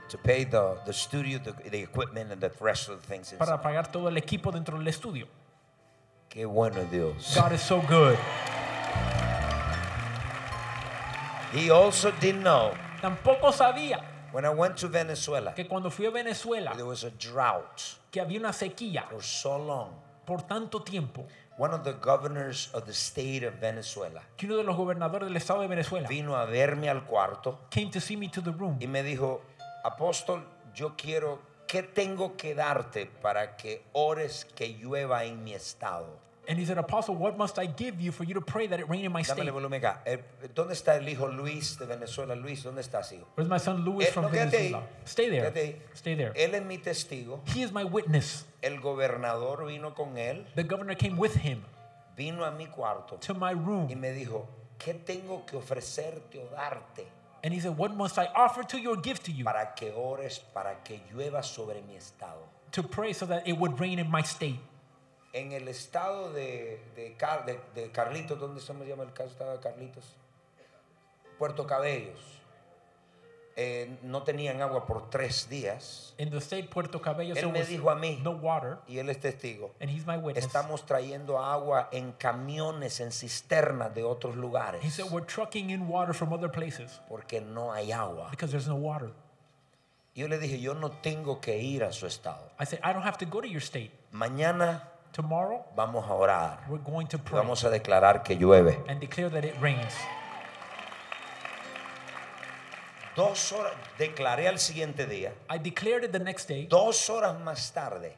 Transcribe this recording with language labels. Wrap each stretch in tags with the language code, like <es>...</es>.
<en>To pay the studio, the equipment, and the rest of the things.</en> <es>Para pagar todo el equipo dentro del estudio. Qué bueno Dios.</es> <en>God is so good. He also didn't know.</en> <es>Tampoco sabía.</es> <en>When I went to Venezuela.</en> <es>Que cuando fui a Venezuela.</es> <en>There was a drought.</en> <es>Que había una sequía.</es> <en>For so long.</en> <es>Por tanto tiempo.</es> <en>One of the governors of the state of Venezuela.</en> <es>Que uno de los gobernadores del estado de Venezuela. Vino a verme al cuarto.</es> <en>Came to see me to the room.</en> <es>Y me dijo, apóstol, yo quiero, ¿qué tengo que darte para que ores que llueva en mi estado?</es> <en>And he said, Apostle, what must I give you for you to pray that it rain in my state?</en> <es>Dame el volumen acá. ¿Dónde está el hijo Luis de Venezuela? Luis, ¿dónde estás, hijo?</es> <en>Where's my son Luis from Venezuela? Stay there. Stay there.</en> <es>Él es mi testigo.</es> <en>He is my witness.</en> <es>El gobernador vino con él.</es> <en>The governor came with him.</en> <es>Vino a mi cuarto.</es> <en>To my room.</en> <es>Y me dijo, ¿qué tengo que ofrecerte o darte?</es> <en>And he said, what must I offer to you or give to you?</en> <es>Para que ores, para que llueva sobre mi estado.</es> <en>To pray so that it would rain in my state.</en> <es>En el estado de Carlitos, ¿dónde se llama el estado de Carlitos? Puerto Cabellos. No tenían agua por 3 días.</es> <en>In the state Puerto Cabello,</en> <es>él me dijo a mí,</es> <en>no water,</en> <es>y él es testigo,</es> <en>and he's my witness.</en> <es>Estamos trayendo agua en camiones, en cisternas de otros lugares.</es> <en>He said, we're trucking in water from other places.</en> <es>Porque no hay agua.</es> <en>Because there's no water.</en> <es>Yo le dije, yo no tengo que ir a su estado.</es> <en>I said, I don't have to go to your state.</en> <es>Mañana...</es> <en>Tomorrow,</en> <es>vamos a orar.</es> <en>We're going to pray.</en> <es>Vamos a declarar que llueve.</es> <en>And declare that it rains.</en> <es>2 horas. Declaré al siguiente día.</es> <en>I declared it the next day.</en> <es>2 horas más tarde.</es>